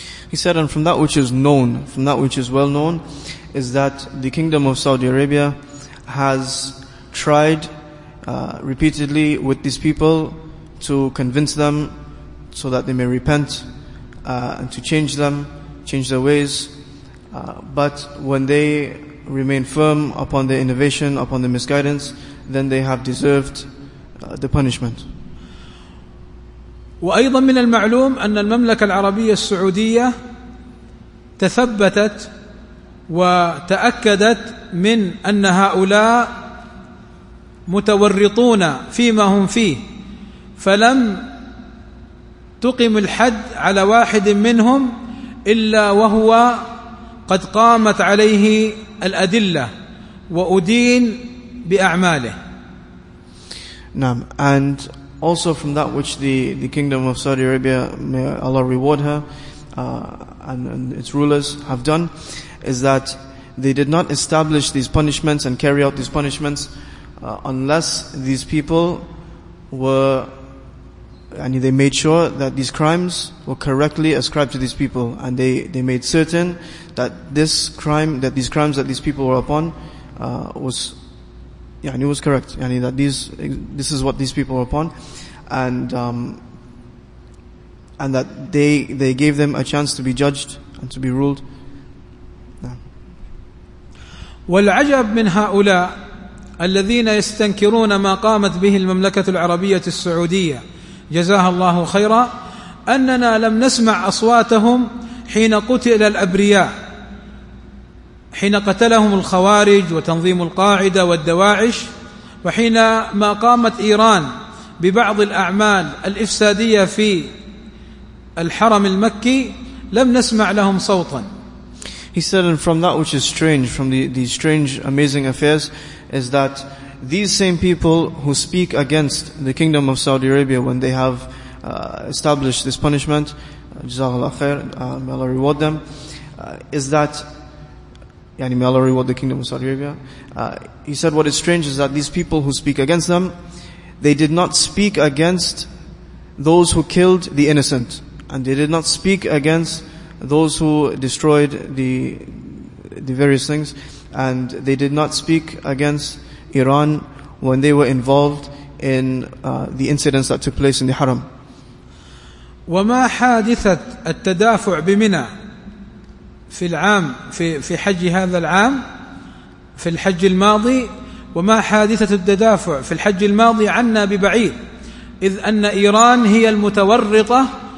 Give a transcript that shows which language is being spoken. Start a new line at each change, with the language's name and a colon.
English: He said, and from that which is known, from that which is well known, is that the Kingdom of Saudi Arabia has tried repeatedly with these people to convince them so that they may repent and to change them, change their ways. But when they remain firm upon their innovation, upon their misguidance, then they have deserved the punishment.
Arabic: وأيضا من المعلوم أن المملكة العربية السعودية تثبتت وتأكدت من أن هؤلاء متورطون فيما هم فيه، فلم تقم الحد على واحد منهم إلا وهو قد قامت عليه الأدلة وأدين بأعماله. نعم.
English: And also from that which the kingdom of Saudi Arabia, may Allah reward her and its rulers, have done is that they did not establish these punishments and carry out these punishments unless these people were, and they made sure that these crimes were correctly ascribed to these people, and they made certain that this crime, that these crimes that these people were upon was, yani, was correct, yani, that this is what these people were upon, and that they gave them a chance to be judged and to be ruled.
Arabic: والعجب من هؤلاء الذين يستنكرون ما قامت به المملكة العربية السعودية جزاها الله خيرا أننا لم نسمع أصواتهم حين قتل الأبرياء، حين قتلهم الخوارج وتنظيم القاعدة والدواعش، وحين ما قامت إيران ببعض الأعمال الإفسادية في الحرم المكي لم نسمع لهم صوتا.
English: He said, and from that which is strange, from the strange amazing affairs, is that these same people who speak against the Kingdom of Saudi Arabia when they have established this punishment, Jazakallah khair, may Allah reward them, is that, yani, may Allah reward the Kingdom of Saudi Arabia. He said, what is strange is that these people who speak against them, they did not speak against those who killed the innocent, and they did not speak against those who destroyed the various things, and they did not speak against Iran when they were involved in the incidents that took place in the Haram.
Arabic: وما حادثة التدافع بمنى في العام في حج هذا العام في الحج الماضي وما حادثة التدافع في الحج الماضي عنا ببعيد، إذ أن إيران هي المتورطة